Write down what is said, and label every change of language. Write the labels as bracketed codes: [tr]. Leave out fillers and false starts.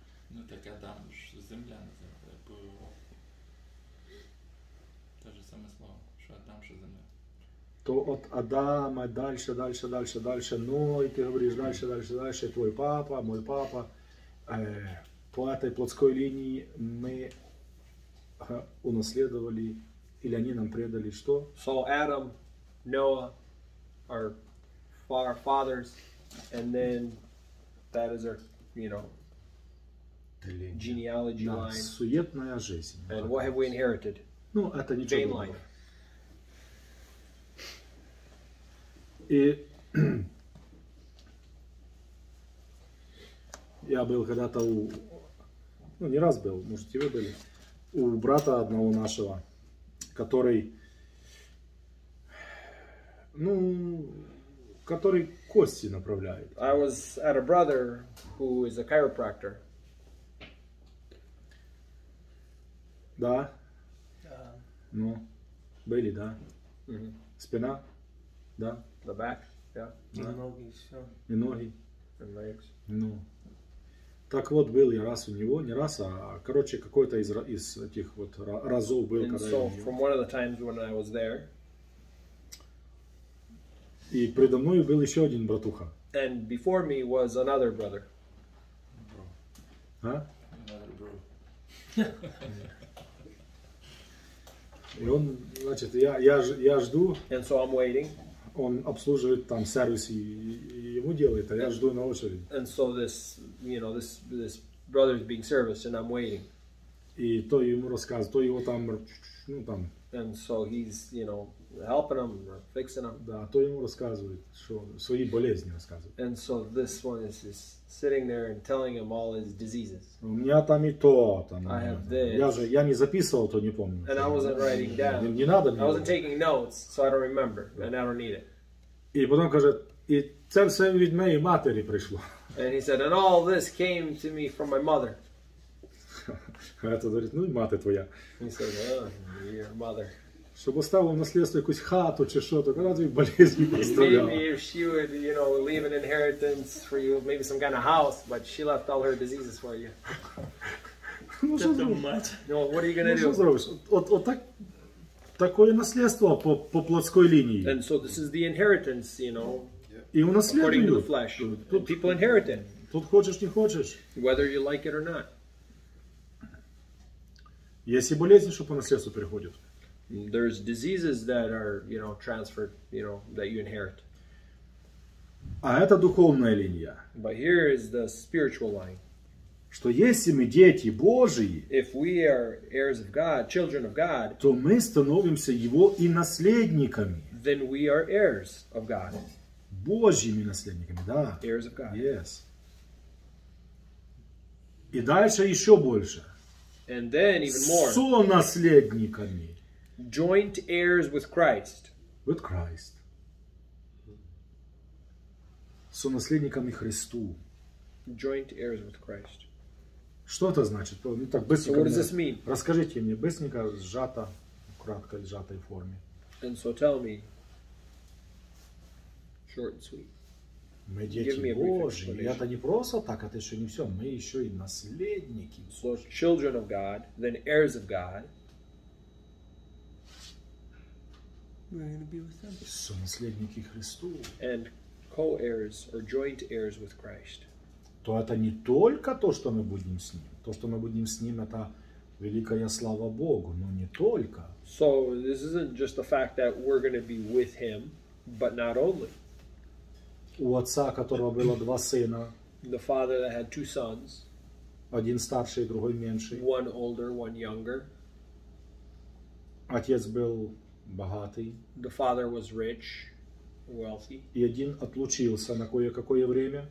[uk] Ну так Адам ж земля називає ПО. Те ж саме слово, що Адам ж земля. [ru] То от Адама дальше, ну і ти говориш дальше, твой папа, мой папа. По этой плотской линии мы унаследовали, или они нам предали что? [en] So Adam, Noah, our fathers, and then that is our, you know, genealogy [ru] да, [en] line. [ru] Суетная жизнь. [en] And вопрос. What have we inherited? [ru] Ну, это ничего Bain другого. Life. И... Я был когда-то у, ну не раз был, может и вы были, у брата одного нашего, который кости направляет. [en] I was at a brother who is a chiropractor. [ru] Да? Ну, были, да? Mm-hmm. Спина? Да? [en] The back, yeah. [ru] Да. Ноги, все. И ноги? [en] And legs. [ru] Ну. Так вот, был я раз у него, не раз, а короче, какой-то из этих вот разов был, [en] and [ru] когда [en] so, [ru] я не... [en] from one of the times when I was there. [ru] И предо мной был еще один братуха. [en] And before me was another brother. Bro. [ru] А? [en] Another bro. [ru] И он, значит, я жду. [en] And so I'm waiting. [ru] Он обслуживает там сервис и ему делает, а я жду на очереди. [en] And so this, you know, this brother is being serviced and I'm waiting. [ru] И то ему рассказывает, то его там, ну там. [en] And so he's, you know, helping him or fixing him. [ru] Да, то ему рассказывает, что свои болезни рассказывает. [en] And so this one is sitting there and telling him all his diseases. [ru] У меня там и то, там. [en] I have this. [ru] Я не записывал, то не помню. [en] And I wasn't writing down. [ru] Не надо мне. [en] I wasn't taking notes, so I don't remember, and I don't need it. [ru] И потом говорит, [uk] и це все від моєї матері прийшло. [en] And he said, and all this came to me from my mother. [ru] А это говорит, ну и мать твоя. [en] He said, oh, your mother. [uk] Щоб оставив наслідство якусь хату чи що, то коли твої болезні поставляла. [en] Maybe if she would, you know, leave an inheritance for you, maybe some kind of house, but she left all her diseases for you. [uk] Ну що зробиш? [en] Ну, what are you gonna [uk] do? Ну що зробиш? От так, таке наслідство по плотській лінії. [en] And so this is the inheritance, you know, [uk] і унаслідують. [en] According to the flesh. Тут, people inherit it. [uk] Тут хочеш, не хочеш. [en] Whether you like it or not. [uk] Є і болезні, що по наслідству переходять. [en] There's diseases that are, you know, transferred, you know, that you inherit. [ru] А это духовная линия. [en] But here is the spiritual line. [ru] Что если мы дети Божии, [en] if we are heirs of God, children of God, [ru] то мы становимся его и наследниками. [en] Then we are heirs of God. [ru] Божьими наследниками, да. [en] Heirs of God. Yes. [ru] И дальше еще больше. [en] And then even more. [ru] Сонаследниками. [en] Joint heirs with Christ. With Christ. [ru] Со наследниками Христу. [en] Joint heirs with Christ. [ru] Что это значит? Ну так быстренько. [en] So what does this mean? [ru] Расскажите мне быстренько, сжато, кратко, сжатой форме. [en] And so tell me. Short and sweet. [ru] Мы дети Божьи. Я-то не просто так, а ты еще не все. Мы еще и наследники. [en] So children of God, then heirs of God. We're going to be with them. [ru] Со наследники Христу. [en] And co-heirs or joint heirs with Christ. [ru] То это не только то, что мы будем с ним. То, что мы будем с ним, это великая слава Богу, но не только. [en] So this isn't just the fact that we're going to be with him, but not only. [ru] У отца, которого было два сына. [en] The father that had two sons. [ru] Один старший, другой меньший. [en] One older, one younger. [ru] Отец был богатый. [en] The father was rich, wealthy. [ru] И один отлучился на кое-какое время.